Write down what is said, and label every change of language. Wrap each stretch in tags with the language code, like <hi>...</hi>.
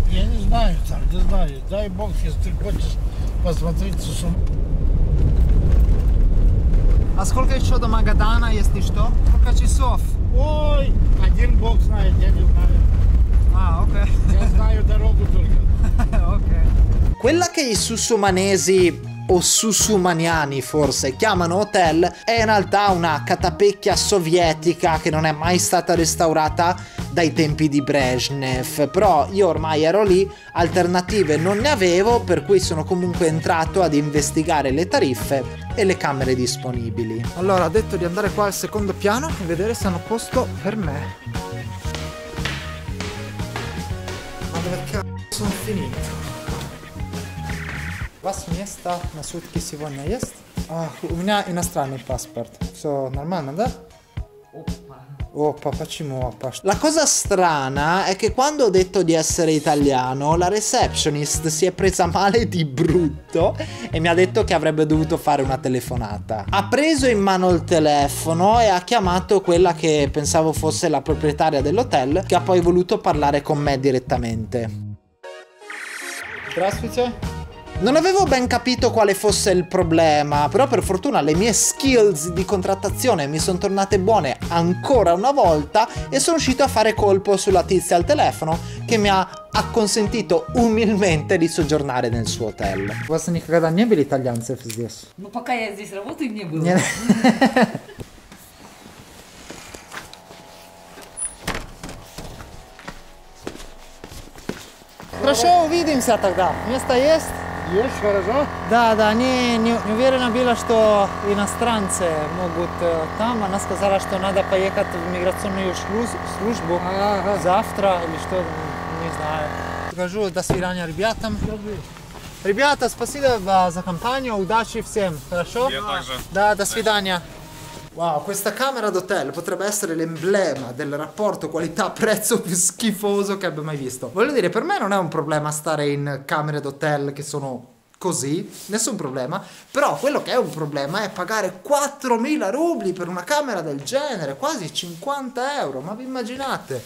<ru>Я не знаю, там, не знаю. Дай бог, если ты хочешь посмотреть Сусуман. А сколько еще до Магадана, если что? Сколько часов? Ой, один бог знает, я не знаю. А, окей. Я знаю дорогу только. Окей.</ru> <it>Quella che i susumanesi, o susumaniani forse, chiamano hotel, è in realtà una catapecchia sovietica che non è mai stata restaurata dai tempi di Brezhnev. Però io ormai ero lì, alternative non ne avevo, per cui sono comunque entrato ad investigare le tariffe e le camere disponibili. Allora, ho detto di andare qua al secondo piano e vedere se hanno posto per me. Ma dove cazzo sono finito?</it> <ru>Вас место на сутки сегодня есть? А, у меня иностранный паспорт. Все нормально, да? Опа, почему опа?</ru> <it>La cosa strana è che quando ho detto di essere italiano, la receptionist si è presa male di brutto e mi ha detto che avrebbe dovuto fare una telefonata. Ha preso in mano il telefono e ha chiamato quella che pensavo fosse la proprietaria dell'hotel, che ha poi voluto parlare con me direttamente.</it> <ru>Здравствуйте.</ru> <it>Non avevo ben capito quale fosse il problema, però per fortuna le mie skills di contrattazione mi sono tornate buone ancora una volta e sono riuscito a fare colpo sulla tizia al telefono che mi ha acconsentito umilmente di soggiornare nel suo hotel. Tu sei</it> <ru>никогда не был итальянцев здесь? Ну пока я здесь работаю, не было. Хорошо, увидимся тогда. Место есть? Есть, хорошо. Да, да, они не уверена была, что иностранцы могут там. Она сказала, что надо поехать в миграционную службу завтра или что, не знаю. Скажу до свидания ребятам. Скажи. Ребята, спасибо за компанию, удачи всем, хорошо? Я также. Да, до свидания.</ru> <it>Wow, questa camera d'hotel potrebbe essere l'emblema del rapporto qualità-prezzo più schifoso che abbia mai visto. Voglio dire, per me non è un problema stare in camere d'hotel che sono così, nessun problema. Però quello che è un problema è pagare 4.000 rubli per una camera del genere, quasi 50 euro, ma vi immaginate?</it>